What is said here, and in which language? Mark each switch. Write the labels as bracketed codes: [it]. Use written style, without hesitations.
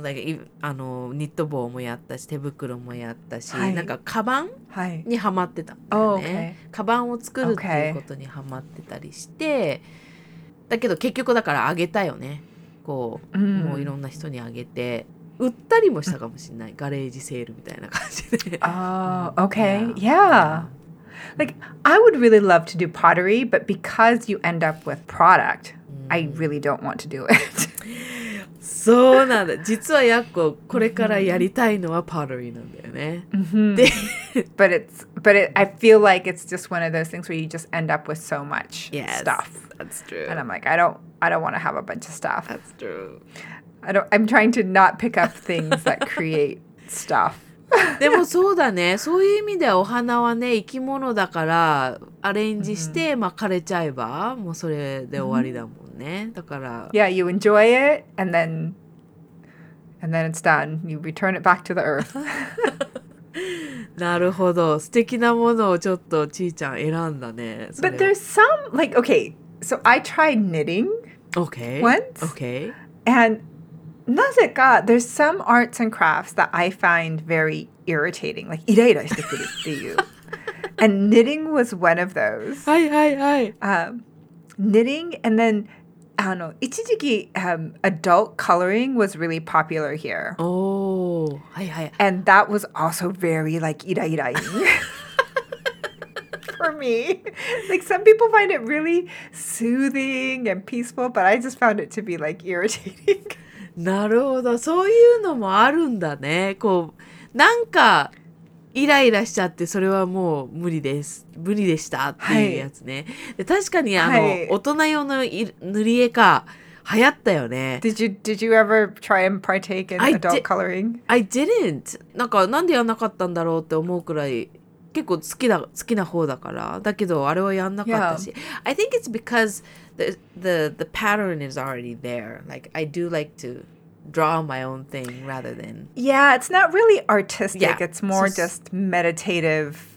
[ja] Like, ニット帽もやったし、手袋もやったし、なんかカバンにハマってたんだよね。 [en] Oh, okay. [ja] カバンを作るっていうことにハマってたりして、だけど結局だからあげたよね。こう、もういろんな人にあげて、売ったりもしたかもしれない。ガレージセールみたいな感じで。 Oh, okay. [en] Like, I would really love to do pottery, but because you end up with product, I really don't want to do it. [ja] そうなんだ。実はヤッコ、これからやりたいのはパッドリーなんだよね。 [en] で、But I feel like it's just one of those things where you just end up with so much stuff. That's true. And I'm like, I don't want to have a bunch of stuff. That's true. I'm trying to not pick up things that create stuff. [ja] でもそうだね。そういう意味ではお花はね、生き物だからアレンジして、まあ枯れちゃえばもうそれで終わりだもんね。だから。 [en] Yeah, you enjoy it and then it's done. You return it back to the earth. [ja] なるほど。素敵なものをちょっとちーちゃん選んだね。 [en] But there's some, like, okay, so I tried knitting once. Okay. And なぜか there's some arts and crafts that I find very irritating, like, [ja] イライラしてくるっていう。 [en] And knitting was one of those. はいはいはい。 Knitting, and then,一時期 adult coloring was really popular here. Oh, はいはい。 And that was also very, like, イライラ for me. Like, some people find it really soothing and peaceful, but I just found it to be, like, irritating. [ja] なるほど。そういうのもあるんだね。こう、なんか、イライラしちゃって、それはもう無理です。無理でしたっていうやつね。で確かに、大人用の塗り絵か、流行ったよね。 [en] Did you ever try and partake in adult coloring? I didn't. [ja] なんか、なんでやんなかったんだろうって思うくらい、結構好きな方だから。だけど、あれはやんなかったし。 [en] Yeah. I think it's because the pattern is already there. Like, I do like to... draw my own thing rather than yeah it's not really artistic yeah, it's more so, just meditative